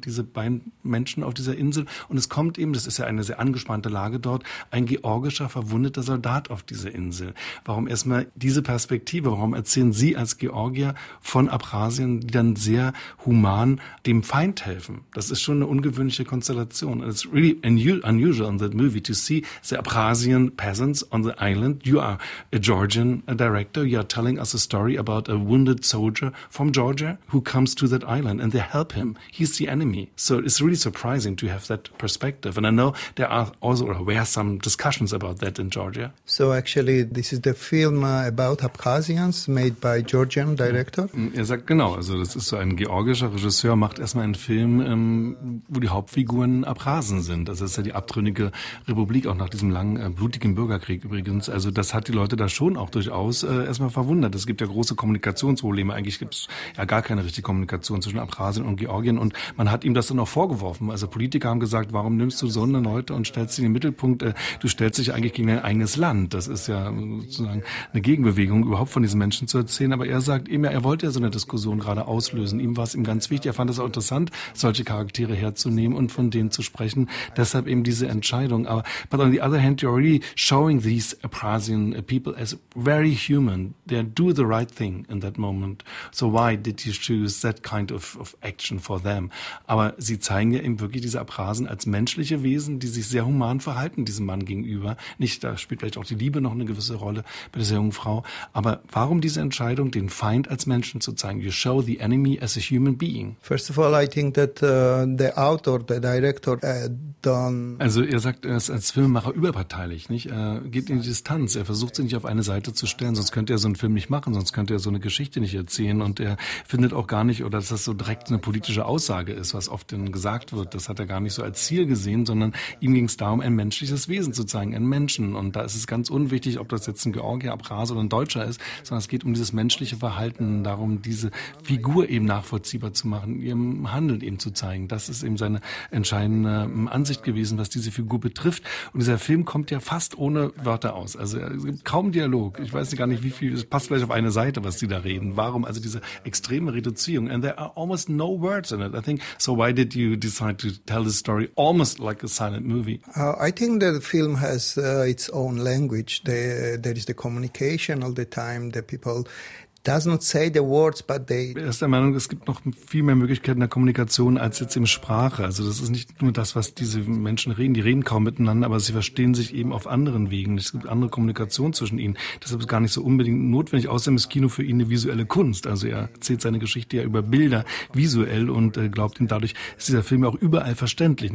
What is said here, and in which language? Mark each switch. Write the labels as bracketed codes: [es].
[de] Diese beiden Menschen auf dieser Insel. Und es kommt eben, das ist ja eine sehr angespannte Lage dort, ein georgischer verwundeter Soldat auf diese Insel. Warum erstmal diese Perspektive? Warum erzählen Sie als Georgier von Abchasien, die dann sehr human dem Feind helfen? Das ist schon eine ungewöhnliche Konstellation. [en] It's really unusual in that movie to see the Abchasian peasants on the island. You are a Georgian director. You are telling us a story about a wounded soldier from Georgia who comes to that island and they help him. He's the enemy. So it's really surprising to have that perspective. And I know there are also were some discussions about that in Georgia. So actually, this is the film about Abkhazians made by Georgian director. [de] Er sagt, genau, also das ist so ein georgischer Regisseur, macht erstmal einen Film, wo die Hauptfiguren Abkhazen sind. Also das ist ja die abtrünnige Republik, auch nach diesem langen, blutigen Bürgerkrieg übrigens. Also das hat die Leute da schon auch durchaus erstmal verwundert. Es gibt ja große Kommunikationsprobleme. Eigentlich gibt es ja gar keine richtige Kommunikation zwischen Abkhazien und Georgien. Und man hat ihm das dann auch vorgeworfen. Also Politiker haben gesagt, warum nimmst du so eine Leute und stellst sie in den Mittelpunkt? Du stellst dich eigentlich gegen dein eigenes Land. Das ist ja sozusagen eine Gegenbewegung, überhaupt von diesen Menschen zu erzählen. Aber er sagt eben, er wollte ja so eine Diskussion gerade auslösen. Ihm war es ihm ganz wichtig. Er fand es auch interessant, solche Charaktere herzunehmen und von denen zu sprechen. Deshalb eben diese Entscheidung. [en] Aber but on the other hand, you're really showing these Abkhazian people as very human. They do the right thing in that moment. So why did you choose that kind of action for them? [de] Aber sie zeigen ja eben wirklich diese Abkhazen als menschliche Wesen, die sich sehr human verhalten, diesem Mann gegenüber. Nicht, da spielt vielleicht auch die Liebe noch eine gewisse Rolle bei dieser jungen Frau. Aber warum diese Entscheidung, den Feind als Menschen zu zeigen? [en] You show the enemy as a human being. First of all, I think that the author, the director, done. [de] Also er sagt, er ist als Filmemacher überparteilich, nicht? Er geht in die Distanz. Er versucht, sie nicht auf eine Seite zu stellen, sonst könnte er so einen Film nicht machen, sonst könnte er so eine Geschichte nicht erzählen. Und er findet auch gar nicht, oder dass das so direkt eine politische Aussage ist, was oft denn gesagt wird. Das hat er gar nicht so als Ziel gesehen, sondern ihm ging es darum, ein menschliches Wesen zu zeigen, einen Menschen. Und da ist es ganz unwichtig, ob das jetzt ein Georgier, Abkhaz oder ein Deutscher ist, sondern es geht um dieses menschliche Verhalten, darum, diese Figur eben nachvollziehbar zu machen, ihrem Handeln eben zu zeigen. Das ist eben seine entscheidende Ansicht gewesen, was diese Figur betrifft. Und dieser Film kommt ja fast ohne Wörter aus. Also es gibt kaum Dialog. Ich weiß gar nicht, wie viel, es passt vielleicht auf eine Seite, was die da reden. Warum also diese extreme Reduzierung? [en] And there are almost no words in it. I think, so why did you decide to tell this story almost like a silent movie? I think that the film has its own language. There is the communication all the time, the people does not say the words, but they. [de] Er ist der Meinung, es gibt noch viel mehr Möglichkeiten der Kommunikation als jetzt im Sprache. Also das ist nicht nur das, was diese Menschen reden. Die reden kaum miteinander, aber sie verstehen sich eben auf anderen Wegen. Es gibt andere Kommunikation zwischen ihnen. Das ist gar nicht so unbedingt notwendig. Außerdem ist Kino für ihn eine visuelle Kunst. Also er erzählt seine Geschichte ja über Bilder visuell und glaubt ihm dadurch ist dieser Film ja auch überall verständlich.